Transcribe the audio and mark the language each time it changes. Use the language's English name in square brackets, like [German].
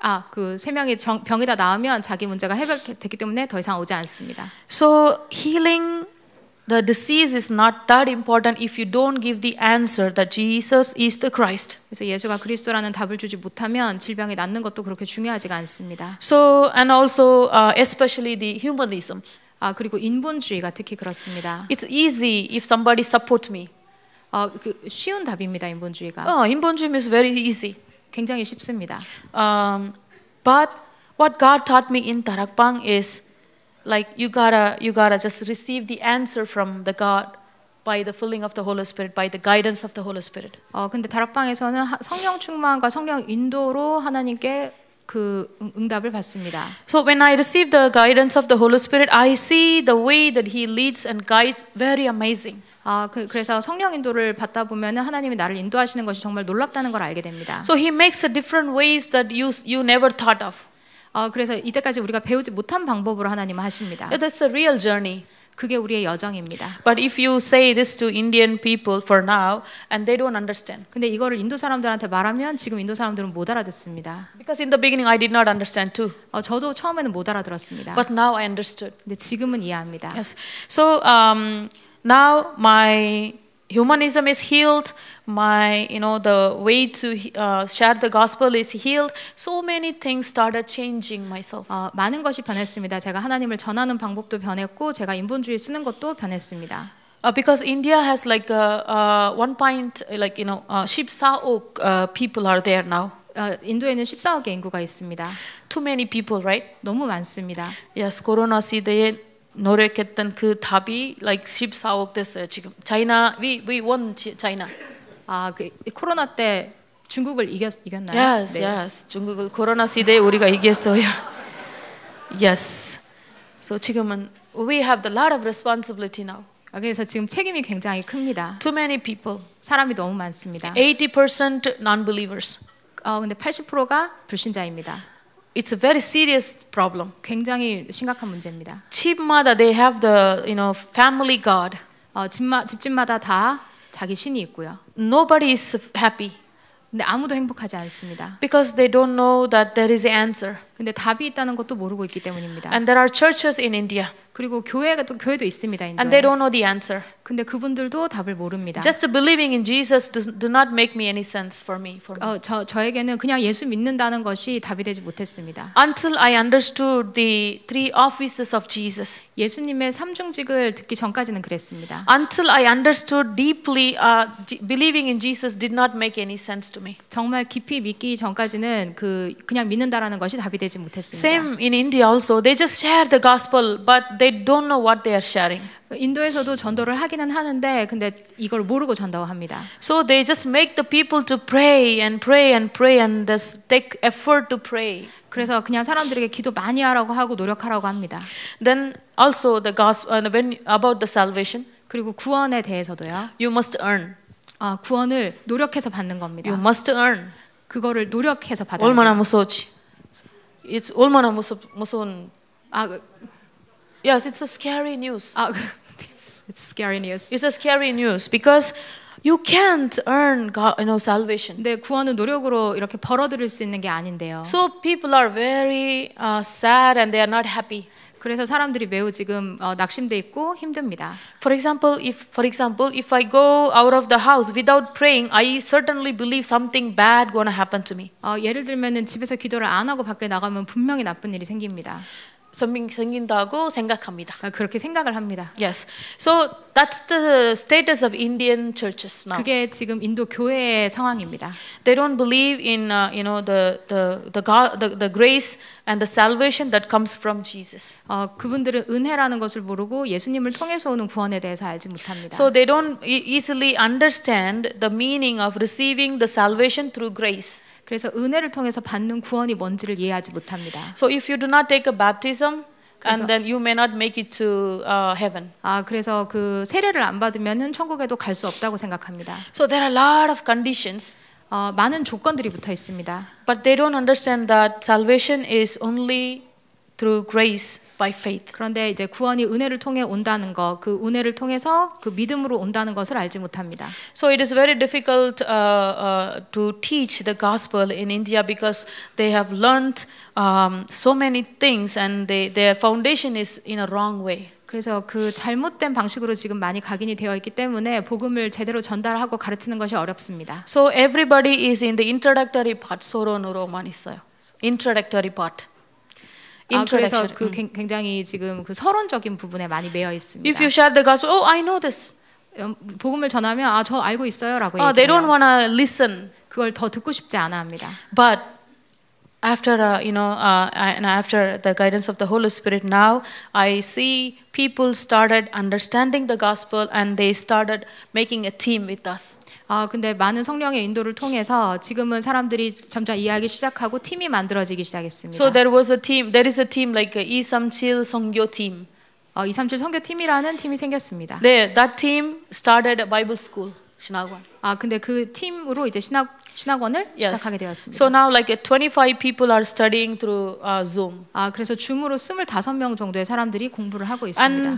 [Korean] 그 세 명이 병이 다 나으면 자기 문제가 해결됐기 때문에 더 이상 오지 않습니다. [English] So healing the disease is not that important if you don't give the answer that Jesus is the Christ. [Korean] 그래서 예수가 그리스도라는 답을 주지 못하면 질병이 낫는 것도 그렇게 중요하지가 않습니다. [English] So and also especially the humanism. [Korean] 그리고 인본주의가 특히 그렇습니다. [English] It's easy if somebody support me. [Korean] 쉬운 답입니다, 인본주의가. [English] 인본주의 is very easy. [Korean] 굉장히 쉽습니다. [English] But what God taught me in Darakbang is like you gotta just receive the answer from the God by the filling of the Holy Spirit, by the guidance of the Holy Spirit. [Korean] 근데 다락방에서는 성령 충만과 성령 인도로 하나님께 그 응답을 받습니다. [English] So when I receive the guidance of the Holy Spirit, I see the way that He leads and guides very amazing. [Korean] 그래서 성령 인도를 받다 보면은 하나님이 나를 인도하시는 것이 정말 놀랍다는 걸 알게 됩니다. [English] So he makes a different ways that you never thought of. [Korean] 그래서 이때까지 우리가 배우지 못한 방법으로 하나님은 하십니다. [English] That's a real journey. [Korean] 그게 우리의 여정입니다. [English] But if you say this to Indian people for now and they don't understand. [Korean] 근데 이거를 인도 사람들한테 말하면 지금 인도 사람들은 못 알아듣습니다. [English] Because in the beginning I did not understand too. [Korean] 저도 처음에는 못 알아들었습니다. [English] But now I understood. [Korean] 근데 지금은 이해합니다. [English] Yes. So now my humanism is healed. My, you know, the way to share the gospel is healed. So many things started changing myself. [Korean] 많은 것이 변했습니다. 제가 하나님을 전하는 방법도 변했고, 제가 인본주의 쓰는 것도 변했습니다. [English] Because India has like people are there now. [Korean] 인도에는 14억의 인구가 있습니다. [English] Too many people, right? [Korean] 너무 많습니다. Yes, 코로나 시대에 노력했던 그 답이 like 14억 됐어요 지금. [English] China, we won China. [Korean] 코로나 때 중국을 이겼나요? [English] Yes, [Korean] 네. [English] Yes. [Korean] 중국을 코로나 시대에 우리가 이겼어요. [English] Yes. So [Korean] 지금은 [English] we have a lot of responsibility now. [Korean] 그래서 지금 책임이 굉장히 큽니다. [English] Too many people. [Korean] 사람이 너무 많습니다. [English] 80% non-believers. [Korean] 근데 80%가 불신자입니다. [English] It's a very serious problem. [Korean] 굉장히 심각한 문제입니다. 집마다 [English] they have the, you know, family god. [Korean] 집집마다 다 자기 신이 있고요. [English] Nobody is happy. [Korean] 근데 아무도 행복하지 않습니다. [English] Because they don't know that there is an answer. [Korean] 근데 답이 있다는 것도 모르고 있기 때문입니다. [English] And there are churches in India. [Korean] 그리고 교회가 또 교회도 있습니다. 인도에. [English] And they don't know the answer. [Korean] 근데 그분들도 답을 모릅니다. [English] Just believing in Jesus do not make me any sense for me. [Korean] 저에게는 그냥 예수 믿는다는 것이 답이 되지 못했습니다. [English] Until I understood the three offices of Jesus. [Korean] 예수님의 삼중직을 듣기 전까지는 그랬습니다. [English] Until I understood deeply believing in Jesus did not make any sense to me. [Korean] 정말 깊이 믿기 전까지는 그냥 믿는다라는 것이 답이 되지 못했습니다. [English] Same in India also. They just share the gospel, but they don't know what they are sharing. [Korean] 인도에서도 전도를 하기는 하는데 근데 이걸 모르고 전도합니다. [English] So they just make the people to pray and pray and pray and just take effort to pray. [Korean] 그래서 그냥 사람들에게 기도 많이 하라고 하고 노력하라고 합니다. [English] Then also the gospel when about the salvation. [Korean] 그리고 구원에 대해서도요. [English] You must earn. [Korean] 구원을 노력해서 받는 겁니다. [English] You must earn. [Korean] 그거를 노력해서 받아요. 얼마나 무서워지. [English] It's [Korean] 얼마나 무서운 [English] Yes, it's a scary news. It's scary news. It's a scary news because you can't earn God, you know, salvation. [Korean] 네, 구원은 노력으로 이렇게 벌어들일 수 있는 게 아닌데요. [English] So people are very sad and they are not happy. [Korean] 그래서 사람들이 매우 지금 낙심돼 있고 힘듭니다. [English] For example, if I go out of the house without praying, I certainly believe something bad gonna happen to me. [Korean] 예를 들면은 집에서 기도를 안 하고 밖에 나가면 분명히 나쁜 일이 생깁니다. 생긴다고 생각합니다. 그렇게 생각을 합니다. [English] Yes. So that's the status of Indian churches now. [Korean] 그게 지금 인도 교회의 상황입니다. [English] They don't believe in you know the God the grace and the salvation that comes from Jesus. [Korean] 그분들은 은혜라는 것을 모르고 예수님을 통해서 오는 구원에 대해서 알지 못합니다. [English] So they don't easily understand the meaning of receiving the salvation through grace. [Korean] 그래서 은혜를 통해서 받는 구원이 뭔지를 이해하지 못합니다. [English] So if you do not take a baptism, and then you may not make it to heaven. [Korean] 그래서 그 세례를 안 받으면은 천국에도 갈 수 없다고 생각합니다. [English] So there are a lot of conditions. [Korean] 많은 조건들이 붙어 있습니다. [English] But they don't understand that salvation is only through grace by faith. [Korean] 그런데 이제 구원이 은혜를 통해 온다는 거, 그 은혜를 통해서 그 믿음으로 온다는 것을 알지 못합니다. [English] So it is very difficult to teach the gospel in India because they have learned so many things and their foundation is in a wrong way. [Korean] 그래서 그 잘못된 방식으로 지금 많이 각인이 되어 있기 때문에 복음을 제대로 전달하고 가르치는 것이 어렵습니다. [English] So everybody is in the introductory part [Korean] 소론으로만 있어요. [English] Introductory part. [Korean] 그래서 그 굉장히 지금 그 서론적인 부분에 많이 매여 있습니다. [English] If you share the gospel, oh, I know this. [Korean] 복음을 전하면 저 알고 있어요라고 얘기해요. [English] They don't wanna listen. [Korean] 그걸 더 듣고 싶지 않아 합니다. [English] But after after the guidance of the Holy Spirit, now I see people started understanding the gospel and they started making a team with us. [Korean] 근데 많은 성령의 인도를 통해서 지금은 사람들이 점점 이해하기 시작하고 팀이 만들어지기 시작했습니다. [English] So there was a team. There is a team like 237 선교 팀. [Korean] 237 선교 팀이라는 팀이 생겼습니다. 네, [English] that team started a Bible school 신학원. [Korean] 근데 그 팀으로 이제 신학원을 [English] yes. [Korean] 시작하게 되었습니다. [English] So now like 25 people are studying through Zoom. [Korean] 그래서 줌으로 25명 정도의 사람들이 공부를 하고 있습니다.